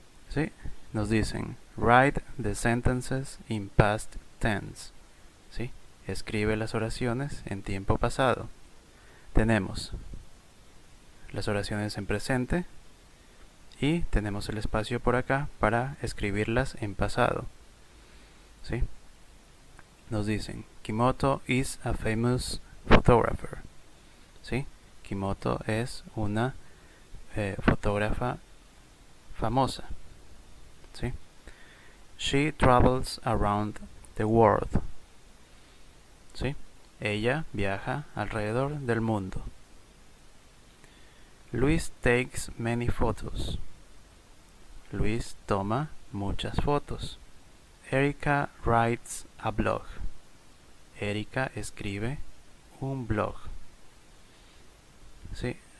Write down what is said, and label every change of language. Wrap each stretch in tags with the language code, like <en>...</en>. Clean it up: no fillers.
<es>¿Sí? Nos dicen</es> <en>write the sentences in past tense.</en> <es>¿Sí? Escribe las oraciones en tiempo pasado. Tenemos las oraciones en presente y tenemos el espacio por acá para escribirlas en pasado. ¿Sí? Nos dicen</es> <en>Kimoto is a famous photographer.</en> <es>¿Sí? Kimoto es una fotógrafa famosa. ¿Sí?</es> <en>She travels around the world.</en> <es>¿Sí? Ella viaja alrededor del mundo.</es> <en>Luis takes many photos.</en> <es>Luis toma muchas fotos.</es> <en>Erika writes a blog.</en> <es>Erika escribe un blog. ¿Sí?</es>